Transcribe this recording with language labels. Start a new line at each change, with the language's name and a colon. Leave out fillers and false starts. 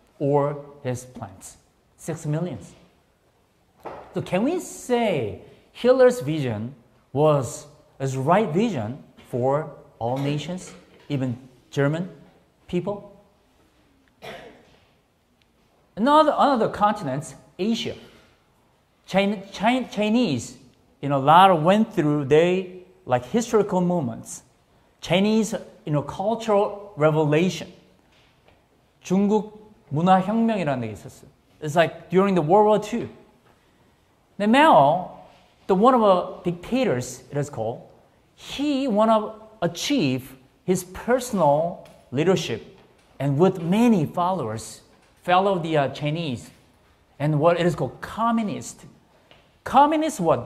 English: Or his plans. 6 million. So can we say Hitler's vision was his right vision for all nations, even German people? Another continent, Asia. Chinese, you know, a lot of went through their like historical moments. Chinese, you know, cultural revolution.
Korean: 중국 문화혁명이라는 게 있었어요.
English: It's like during the World War II. Now Mao, the one of the dictators, it is called, he want to achieve his personal leadership and with many followers, fellow the Chinese, and what it is called communist. Communist what?